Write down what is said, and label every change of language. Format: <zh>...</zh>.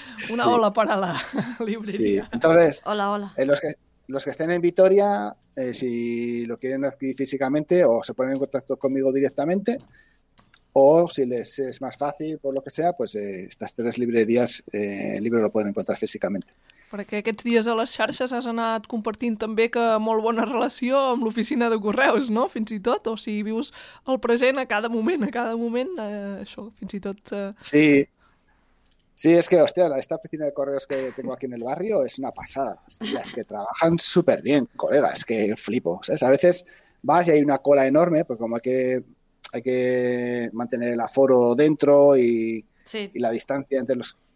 <es>Una sí. Ola para la librería. Sí. Entonces, hola. Los que estén en Vitoria, si lo quieren adquirir físicamente, o se ponen en contacto conmigo directamente, o si les es más fácil, por lo que sea, pues estas tres librerías, el libro lo pueden encontrar físicamente.</es> <ca>Perquè aquests dies a les xarxes has anat compartint també que molt bona relació amb l'oficina de correus, no? Fins i tot, o sigui, vius el present a cada moment, això, fins i tot... Sí.</ca> <es>Sí, es que, hostia, esta oficina de correos que tengo aquí en el barrio es una pasada. Hostia, es que trabajan súper bien, colega, es que flipo. ¿Sabes? A veces vas y hay una cola enorme, porque como hay que mantener el aforo dentro y la distancia entre los...</es>